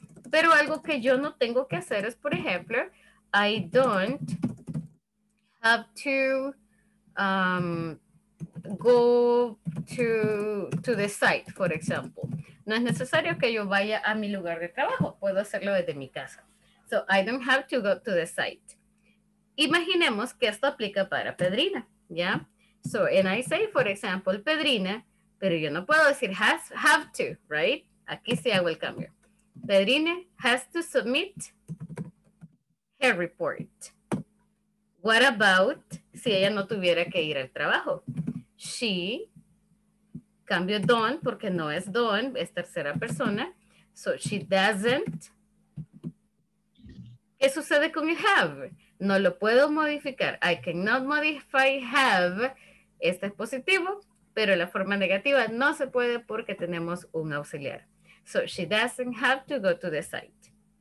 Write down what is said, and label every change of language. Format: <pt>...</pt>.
<es>Pero algo que yo no tengo que hacer es, por ejemplo,</es> <en>I don't have to go to the site, for example.</en> <es>No es necesario que yo vaya a mi lugar de trabajo. Puedo hacerlo desde mi casa.</es> <en>So I don't have to go to the site.</en> <es>Imaginemos que esto aplica para Pedrina, ¿ya?</es> <en>So, and I say, for example,</en> <es>Pedrina, pero yo no puedo decir have to, right? Aquí sí hago el cambio.</es> <en>Pedrina has to submit her report. What about</en> <es>si ella no tuviera que ir al trabajo? She, cambio don, porque no es don, es tercera persona.</es> <en>So, she doesn't.</en> <es>¿Qué sucede con el have? No lo puedo modificar.</es> <en>I cannot modify have.</en> <es>Este es positivo, pero la forma negativa no se puede porque tenemos un auxiliar.</es> <en>So she doesn't have to go to the site.</en>